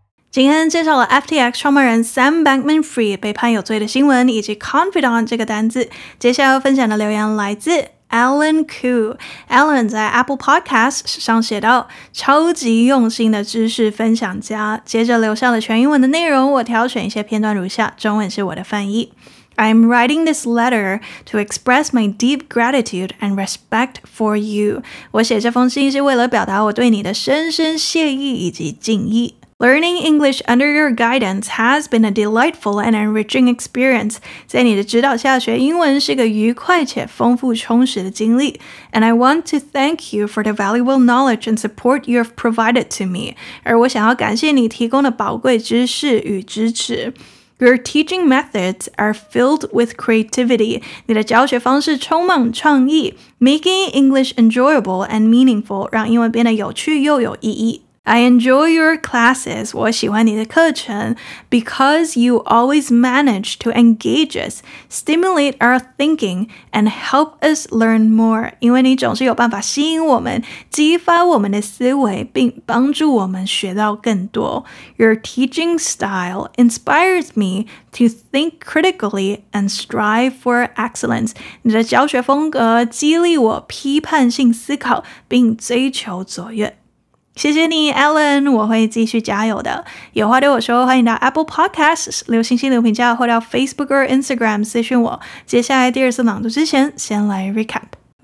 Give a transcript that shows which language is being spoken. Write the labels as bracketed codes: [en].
[zh] 今天介绍了 FTX 创办人 Sam Bankman-Fried 被判有罪的新闻以及 confidant 这个单字。接下来要分享的留言来自 Alan Koo。Alan 在 Apple Podcast 上写道：超级用心的知识分享家。接着留下了全英文的内容，我挑选一些片段如下，中文是我的翻译。 [en] I am writing this letter to express my deep gratitude and respect for you. [zh] 我写这封信是为了表达我对你的深深谢意以及敬意。 [en] Learning English under your guidance has been a delightful and enriching experience. [zh] 在你的指导下学英文是个愉快且丰富充实的经历。 [en] And I want to thank you for the valuable knowledge and support you have provided to me. [zh] 而我想要感谢你提供的宝贵知识与支持。 [en] Your teaching methods are filled with creativity. [zh] 你的教学方式充满创意。 [en] Making English enjoyable and meaningful [zh] 让英文变得有趣又有意义。 [en] I enjoy your classes, [zh] 我喜欢你的课程 [en] because you always manage to engage us, stimulate our thinking, and help us learn more. [zh] 因为你总是有办法吸引我们，激发我们的思维，并帮助我们学到更多。 [en] Your teaching style inspires me to think critically and strive for excellence. [zh] 你的教学风格激励我批判性思考，并追求卓越。谢谢你 Alan, 我会继续加油的。有话对我说欢迎到 Apple Podcasts, 留星星留评价或到 Facebook 或 Instagram 私讯我。接下来第二次朗读之前先来 recap。